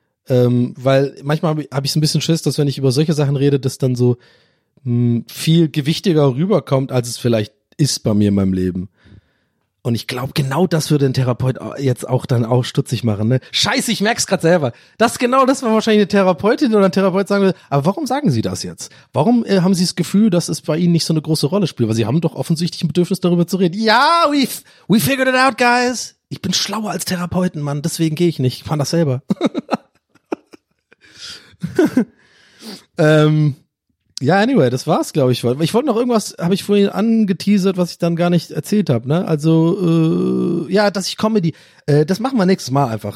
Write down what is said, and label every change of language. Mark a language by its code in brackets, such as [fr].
[de] Weil manchmal hab ich so ein bisschen Schiss, dass wenn ich über solche Sachen rede, das dann so viel gewichtiger rüberkommt, als es vielleicht ist bei mir in meinem Leben. Und ich glaube, genau das würde ein Therapeut jetzt auch dann auch stutzig machen, ne? Scheiße, ich merk's gerade selber. Das war wahrscheinlich eine Therapeutin oder ein Therapeut sagen würde, aber warum sagen Sie das jetzt? Warum haben Sie das Gefühl, dass es bei Ihnen nicht so eine große Rolle spielt? Weil Sie haben doch offensichtlich ein Bedürfnis, darüber zu reden. [en] Ja, we figured it out, guys. [de] Ich bin schlauer als Therapeuten, Mann. Deswegen gehe ich nicht. Ich fand das selber. ja, anyway, das war's, glaube ich. Ich wollte noch irgendwas, habe ich vorhin angeteasert, was ich dann gar nicht erzählt habe, ne? Also, ja, dass ich Comedy, das machen wir nächstes Mal einfach.